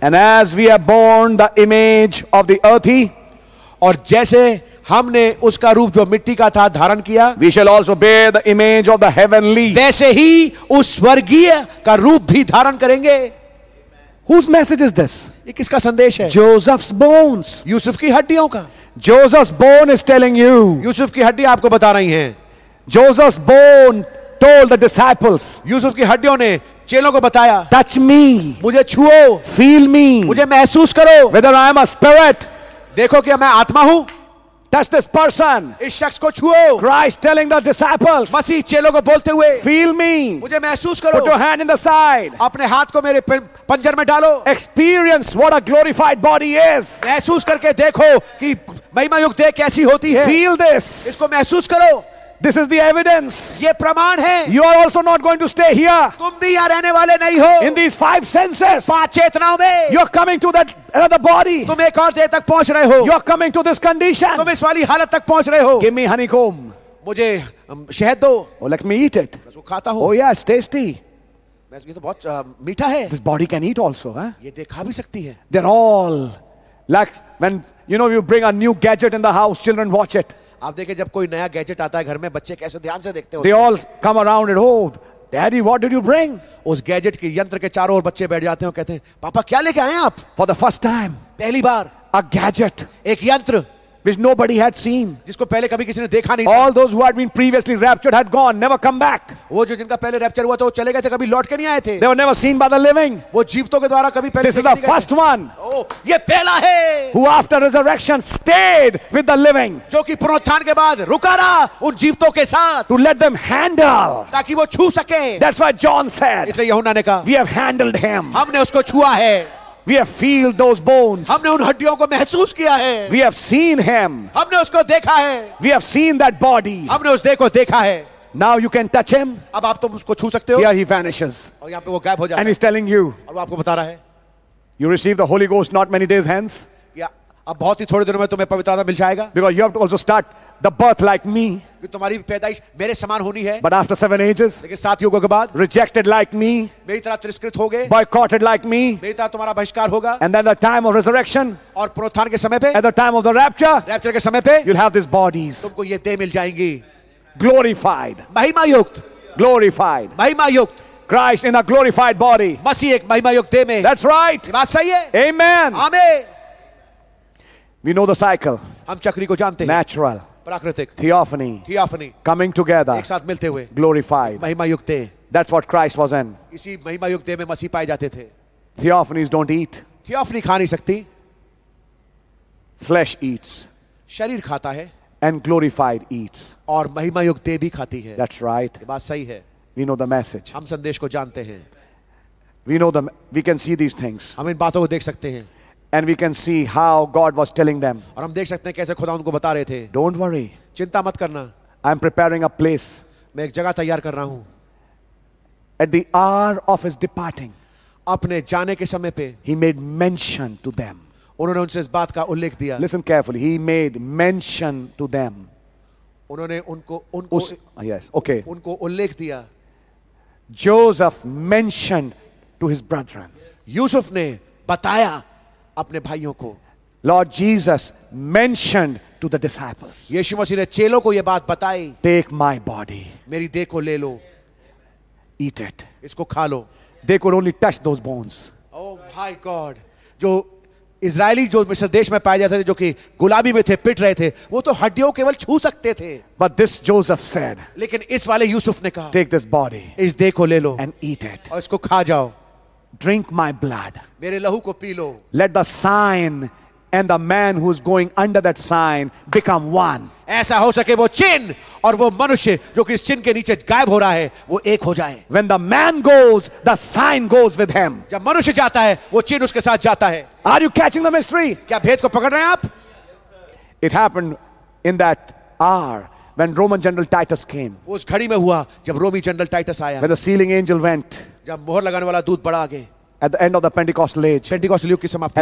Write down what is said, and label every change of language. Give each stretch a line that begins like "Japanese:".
English: And as we are born the image of the earthy.
Hindi: और जैसे हमने उसका रूप जो मिट्टी का था धारण किया.
English: We shall also bear the image of the heavenly.
Hindi: वैसे ही उस स्वर्गीय का रूप भी धारण करेंगे.
English: Whose message is this?
Hindi: ये किसका संदेश है?
English: Joseph's bones.
Hindi: यूसुफ की हड्डियों का.
English: Joseph's bone is telling you.
Hindi: Yusuf की हड्डी आपको बता रही है.
English: Joseph's bone told the disciples.
Hindi: Yusuf की हड्डियों ने चेलों को बताया.
English: Touch me.
Hindi: मुझे छुओ.
English: Feel me.
Hindi: मुझे महसूस करो.
English: Whether I am a spirit.
Hindi: देखो कि मैं आत्मा हूं.
English: Touch this person.
Hindi: इस शख्स को छुओ.
English: Christ telling the disciples.
Hindi: मसीह चेलों को बोलते हुए.
English: Feel me.
Hindi: मुझे महसूस करो.
English: Put your hand in the side.
Hindi: अपने हाथ को मेरे पंजर में डालो.
English: Experience what a glorified body is.
Hindi: महसूस करके देखो कि महिमायुक्त देह कैसी होती है.
English: Feel this.
Hindi: इसको महसूस करो.
English: This is the evidence.
Hindi: ये प्रमाण है.
English: You are also not going to stay here.
Hindi: तुम भी यहाँ रहने वाले नहीं हो.
English: In these five senses.
Hindi: पांच चेतनाओं में.
English: You are coming to that another body.
Hindi: तुम एक और देह तक पहुंच रहे हो.
English: You are coming to this condition.
Hindi: तुम इस वाली हालत तक पहुंच रहे हो.
English: Give me honeycomb.
Hindi: मुझे शहद दो.
English: Oh, let me eat it.
Hindi: मैं खाता हूँ.
English: Oh yeah, it's tasty.
Hindi: मैं ये तो बहुत मीठा है.
English: This body can eat also, huh?
Hindi: ये देह खा भी सकती है.
English: They're all like when you know you bring a new gadget in the house, children watch it.
Hindi: आप देखें जब कोई नया गैजेट आता है घर में बच्चे कैसे ध्यान से देखते हो.
English: They all come around it. Oh, daddy, what did you bring?
Hindi: उस गैजेट के यंत्र के चारों ओर बच्चे बैठ जाते हैं और कहते हैं पापा क्या लेके आए आप.
English: For the first time.
Hindi: पहली बार.
English: A gadget.
Hindi: एक यंत्र.
English: Which nobody had seen.
Hindi: जिसको पहले कभी किसी ने देखा नहीं.
English: All those who had been previously raptured had gone, never come back.
Hindi: वो जो जिनका पहले रैप्चर हुआ था वो चले गए थे कभी लौट के नहीं आए थे.
English: They were never seen by the living.
Hindi: वो जीवितों के द्वारा कभी पहले.
English: This is the first one.
Hindi: ये पहला है.
English: Who after resurrection stayed with the living.
Hindi: जो कि पुनरुत्थान के बाद रुका रहा उन जीवितों के साथ.
English: To let them handle.
Hindi: ताकि वो छू सके.
English: That's why John said.
Hindi: इसलिए यूहन्ना ने कहा.
English: We have handled him.
Hindi: हमने उसको छुआ है.
English: We have feel those bones.
Hindi: हमने उन हड्डियों को महसूस किया है.
English: We have seen him.
Hindi: हमने उसको देखा है.
English: We have seen that body.
Hindi: हमने उस देह को देखा है.
English: Now you can touch him.
Hindi: अब आप तो उसको छू सकते हो.
English: Here he vanishes.
Hindi: और यहाँ पे वो गायब हो जाता है.
English: And he's telling you.
Hindi: और वो आपको बता रहा है.
English: You receive the Holy Ghost not many days hence.
Hindi: या अब बहुत ही थोड़े दिनों में तुम्हें पवित्र आत्मा मिल जाएगा.
English: Because you have to also start the birth like me.
Hindi: कि तुम्हारी पैदाइश मेरे समान होनी है.
English: But after seven ages.
Hindi: लेकिन सात युगों के बाद.
English: Rejected like me.
Hindi: मेरी तरह तिरस्कृत हो गए.
English: Boycotted like me.
Hindi: मेरी तरह तुम्हारा बहिष्कार होगा.
English: And then the time of resurrection.
Hindi: और पुनरुत्थान के समय पे.
English: At the time of the rapture.
Hindi: Rapture के समय पे.
English: You'll have these bodies.
Hindi: तुमको ये देह मिल जाएंगी.
English: Glorified.
Hindi: महिमा युक्त.
English: Glorified.
Hindi: महिमा युक्त.
English: Christ in a glorified body.
Hindi: मसीह एक महिमा युक्त देह में.
English: That's right.
Hindi: बात सही है.
English: Amen.
Hindi: Amen.
English: We know the cycle.
Hindi: हम चक्री को जानते हैं.
English: Natural.
Hindi: प्राकृतिक.
English: Theophany. Theophany. Coming together.
Hindi: एक साथ मिलते हुए.
English: Glorified.
Hindi: महिमा युक्त.
English: That's what Christ was in.
Hindi: इसी महिमा युक्त में मसीह पाए जाते थे.
English: Theophanies don't eat.
Hindi: Theophany खा नहीं सकती.
English: flesh eats.
Hindi: शरीर खाता है.
English: And glorified eats.
Hindi: और महिमा युक्त देह भी खाती है.
English: That's right.
Hindi: ये बात सही है.
English: We know the message.
Hindi: हम संदेश को जानते हैं.
English: We know them. We can see these things.
Hindi: हम इन बातों को देख सकते हैं.
English: And we can see how God was telling them.
Hindi: और हम देख सकते हैं कैसे खुदा उनको बता रहे थे.
English: Don't worry.
Hindi: चिंता मत करना.
English: I am preparing a place.
Hindi: मैं एक जगह तैयार कर रहा हूँ.
English: At the hour of his departing,
Hindi: अपने जाने के समय पे,
English: he made mention to them.
Hindi: उन्होंने उनसे इस बात का उल्लेख दिया.
English: Listen carefully. He made mention to them.
Hindi: उन्होंने उनको उनको उस,
English: yes, okay.
Hindi: उनको उल्लेख दिया.
English: Joseph mentioned to his brethren.
Hindi: Yusuf ने बताया अपने भाइयों को.
English: Lord Jesus mentioned to the disciples.
Hindi: यीशु मसीह ने चेलों को ये बात बताई.
English: Take my body.
Hindi: मेरी देह को ले लो.
English: Eat it.
Hindi: इसको खा लो.
English: They could only touch those bones. Oh my God.
Hindi: जो इजरायली जो मिस्र देश में पाए जाते थे, जो कि गुलाबी में थे, पिट रहे थे, वो तो हड्डियों केवल छू सकते थे.
English: But this Joseph said.
Hindi: लेकिन इस वाले यूसुफ ने कहा.
English: Take this body.
Hindi: इस देह को ले लो.
English: And eat it.
Hindi: और इसको खा जाओ.
English: Drink my blood.
Hindi: मेरे लहू को P low.
English: Let the sign and the man who's going under that sign become one.
Hindi: ऐसा हो सके वो चिन्ह और वो मनुष्य जो कि इस चिन्ह के नीचे गायब हो रहा है वो एक हो जाए.
English: When the man goes, the sign goes with him.
Hindi: जब मनुष्य जाता है वो चिन्ह उसके साथ जाता है.
English: Are you catching the mystery?
Hindi: क्या भेद को पकड़ रहे हैं आप?
English: It happened in that hour when Roman General Titus came.
Hindi: वो उस घड़ी में हुआ जब रोमी जनरल टाइटस आया.
English: When the sealing angel went.
Hindi: जब मोहर लगाने वाला दूत बड़ा आगे.
English: At the end of the Pentecostal age.
Hindi: Pentecostal युग की समाप्ति.